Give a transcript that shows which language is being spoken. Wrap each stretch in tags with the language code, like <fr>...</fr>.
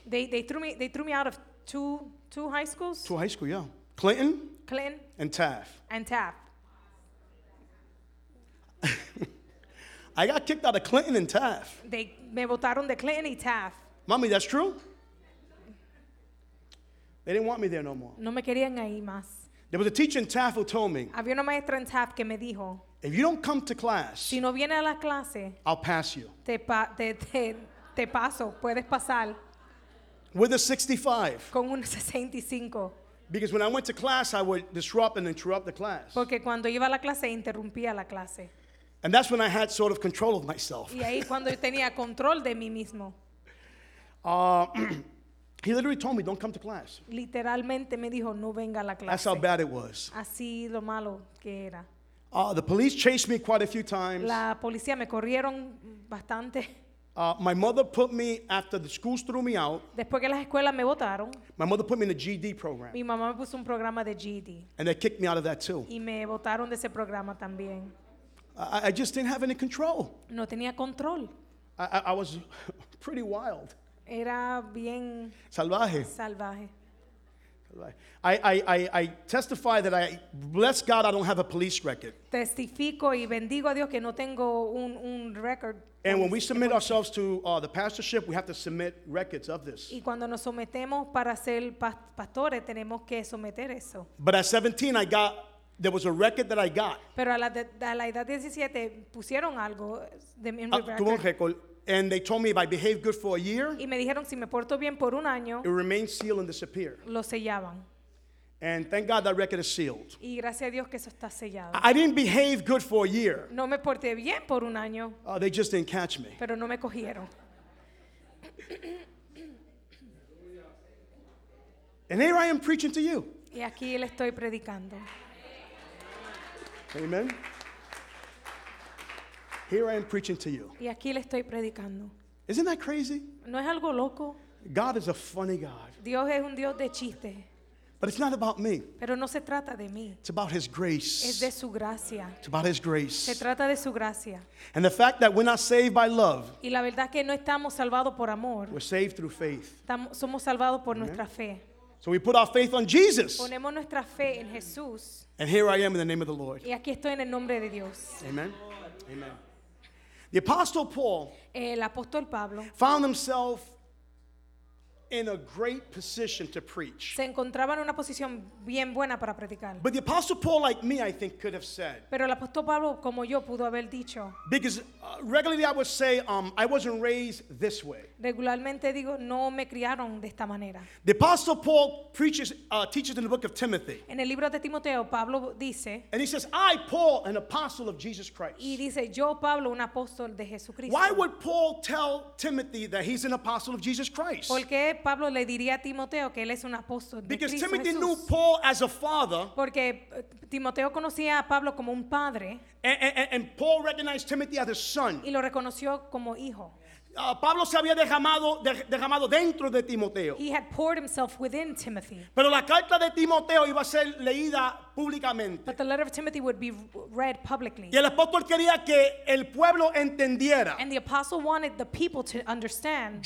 <en>They threw me out of two high schools. Two high schools, yeah. Clinton. And Taft. I got kicked out of Clinton and Taft.</en> <es>They me botaron de Clinton y Taft.</es> <en>Mommy, that's true. They didn't want me there no more.</en> <es>No me querían ahí más.</es> <en>There was a teacher in Taft who told me.</en> <es>Había una maestra en Taft que me dijo.</es> <en>If you don't come to class.</en> <es>Si no viene a la clase.</es> <en>I'll pass you.</en> <es>Te paso. Puedes pasar.</es> <en>With a 65.</en> <es>Con un 65.</es> <en>Because when I went to class, I would disrupt and interrupt the class.</en> <es>Porque cuando iba a la clase, interrumpía la clase.</es> <en>And that's when I had sort of control of myself.</en> <es>Y ahí cuando yo tenía control de mí mismo.</es> <en>He literally told me, "Don't come to class."</en> <es>Literalmente me dijo, "No venga a la clase."</es> <en>That's how bad it was.</en> <es>Así lo malo que era.</es> <en>The police chased me quite a few times.</en> <es>La policía me corrieron bastante.</es> <en>My mother put me after the schools threw me out.</en> <es>Después que las escuelas me botaron.</es> <en>My mother put me in a GED program.</en> <es>Mi mamá me puso un programa de GED.</es> <en>And they kicked me out of that too.</en> <es>Y me botaron de ese programa también.</es> <en>I just didn't have any control.</en> <es>No tenía control.</es> <en>I was pretty wild.</en> <es>Era bien salvaje.</es> <en>I testify that I bless God I don't have a police record.</en> <es>Testifico y bendigo a Dios que no tengo un record.</es> <en>And when we submit ourselves to the pastorship, we have to submit records of this.</en> <es>Y cuando nos sometemos para ser pastores, tenemos que someter eso.</es> <en>But at 17, there was a record that I got.</en> <es>Pero a la edad de 17 pusieron algo de mi record. Tuvo un récord.</es> <en>And they told me if I behave good for a year,</en> <es>y me dijeron, si me porto bien por un año,</es> <en>it remains sealed and disappear.</en> <es>Lo sellaban.</es> <en>And thank God that record is sealed.</en> <es>Y gracias a Dios que eso está sellado.</es> <en>I didn't behave good for a year.</en> <es>No me porté bien por un año.</es> <en>They just didn't catch me.</en> <es>Pero no me cogieron.</es> <en>And here I am preaching to you.</en> <es>Y aquí le estoy predicando.</es> <en>Amen. Here I am preaching to you.</en> <es>Y aquí le estoy predicando.</es> <en>Isn't that crazy?</en> <es>¿No es algo loco?</es> <en>God is a funny God.</en> <es>Dios es un Dios de chiste.</es> <en>But it's not about me.</en> <es>Pero no se trata de mí.</es> <en>It's about His grace.</en> <es>Es de su gracia.</es> <en>It's about His grace.</en> <es>Se trata de su gracia.</es> <en>And the fact that we're not saved by love.</en> <es>Y la verdad que no estamos salvados por amor.</es> <en>We're saved through faith.</en> <es>Somos salvados por nuestra fe.</es> <en>So we put our faith on Jesus.</en> <es>Ponemos nuestra fe en Jesús.</es> <en>And here I am in the name of the Lord.</en> <es>Y aquí estoy en el nombre de Dios.</es> <en>Amen. Amen. The Apostle Paul,</en> <es>el apóstol Pablo,</es> <en>found himself in a great position to preach.</en> <es>Se encontraba en una posición bien buena para predicar.</es> <en>But the Apostle Paul, like me, I think, could have said.</en> <es>Pero el apóstol Pablo, como yo, pudo haber dicho.</es> <en>Because regularly I would say, I wasn't raised this way.</en> <es>Regularmente digo, no me criaron de esta manera.</es> <en>The Apostle Paul preaches, teaches in the book of Timothy.</en> <es>En el libro de Timoteo, Pablo dice.</es> <en>And he says, I, Paul, an apostle of Jesus Christ.</en> <es>Y dice, yo, Pablo, un apóstol de Jesucristo.</es> <en>Why would Paul tell Timothy that he's an apostle of Jesus Christ?</en> <es>Porque Pablo le diría a Timoteo que él es un apóstol de</es> <en>Because</en> <es>Cristo</es> <en>Timothy</en> <es>Jesús.</es> <en>Knew Paul as a father.</en> <es>Porque Timoteo conocía a Pablo como un padre.</es> <en>And Paul recognized Timothy as a son.</en> <es>Y lo reconoció como hijo. Pablo se había derramado dentro de Timoteo.</es> <en>He had poured himself within Timothy.</en> <es>Pero la carta de Timoteo iba a ser leída públicamente.</es> <en>But the letter of Timothy would be read publicly.</en> <es>Y el apóstol quería que el pueblo entendiera.</es> <en>And the apostle wanted the people to understand.</en>